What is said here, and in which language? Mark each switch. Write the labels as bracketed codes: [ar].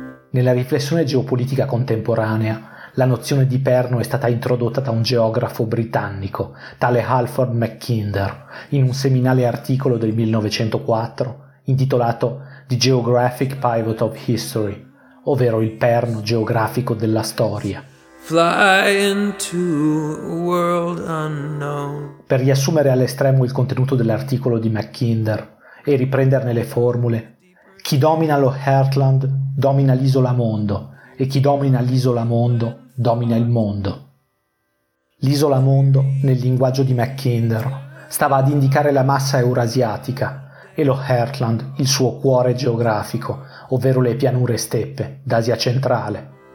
[it] Nella riflessione geopolitica contemporanea, la nozione di perno è stata introdotta da un geografo britannico, tale Halford Mackinder, in un seminale articolo del 1904 intitolato The Geographic Pivot of History, ovvero il perno geografico della storia. [en] Fly into a world unknown. [it] Per riassumere all'estremo il contenuto dell'articolo di Mackinder e riprenderne le formule, chi domina lo Heartland domina l'isola mondo e chi domina l'isola mondo domina il mondo. L'isola mondo, nel linguaggio di Mackinder, stava ad indicare la massa eurasiatica e lo Heartland il suo cuore geografico, ovvero le pianure steppe d'Asia centrale.